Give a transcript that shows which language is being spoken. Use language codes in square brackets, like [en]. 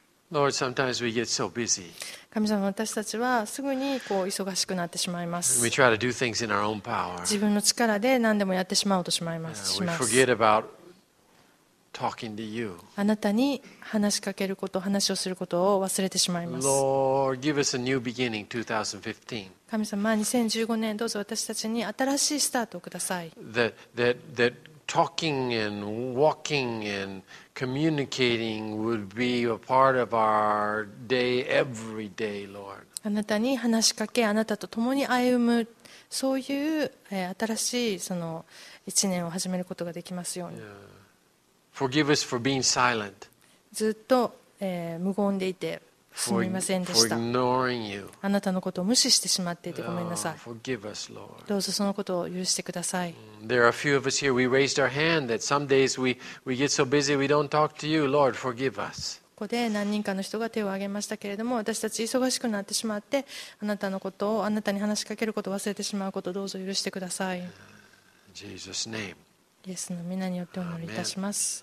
[en] Lord, sometimes we get so busy. [ja] 神様、私たちはすぐにこう忙しくなってしまいます。 [en] We try to do things in our own power. [ja] 自分の力で何でもやってしまおうとしまいます。 [en] We forget about talking to you. [ja] あなたに話しかけること、話をすることを忘れてしまいます。 [en] Lord, give us a new beginning, 2015. [ja] 神様、2015年、どうぞ私たちに新しいスタートをください。 [en] That talking and walking and communicating would be a part of our day every day, Lord. [ja] あなたに話しかけ、あなたと共に歩む、そういう新しいその一年を始めることができますように。 [en] Forgive us for being silent. [ja] ずっと無言でいてすみませんでした。 [en] For ignoring you. [ja] あなたのことを無視してしまっていてごめんなさい。 [en] Forgive us, Lord. [ja] どうぞそのことを許してください。 [en] There are a few of us here. We raised our hand that some days we get so busy we don't talk to you. Lord, forgive us. [ja] ここで何人かの人が手を挙げましたけれども、私たち忙しくなってしまって、あなたのことをあなたに話しかけることを忘れてしまうことをどうぞ許してください。 [en] Jesus name. [ja] イエスの名によってお祈りいたします。